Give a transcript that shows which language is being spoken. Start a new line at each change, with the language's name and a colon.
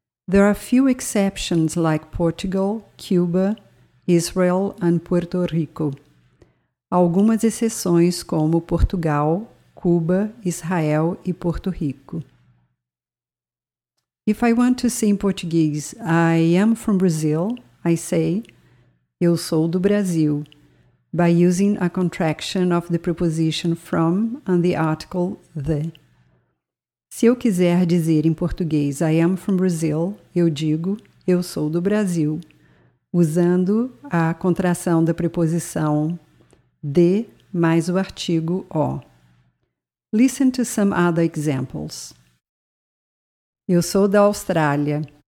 English: There are few exceptions like Portugal, Cuba, Israel and Puerto Rico.
Portuguese: Algumas exceções como Portugal, Cuba, Israel e Porto Rico.
English: If I want to say in Portuguese, I am from Brazil, I say,
Portuguese: eu sou do Brasil,
English: by using a contraction of the preposition from and the article the.
Portuguese: Se eu quiser dizer em português,
English: I am from Brazil,
Portuguese: eu digo, eu sou do Brasil, usando a contração da preposição de mais o artigo o.
English: Listen to some other examples.
Portuguese: Eu sou da Austrália.